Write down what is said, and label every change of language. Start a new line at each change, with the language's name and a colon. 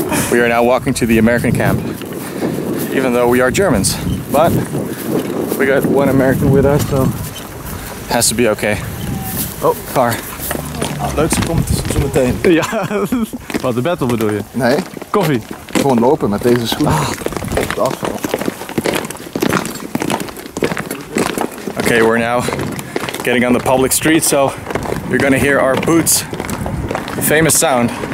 English: We are now walking to the American camp, even though we are Germans, but we got one American with us, so has to be okay. Oh, car.
Dutch: Het leukste komt zo meteen. Ja, wat de battle bedoel je? Nee. Koffie. Gewoon lopen met deze schoenen. Ah. Op de afval.
English: Okay, we're now getting on the public street, so you're gonna hear our boots. Famous sound.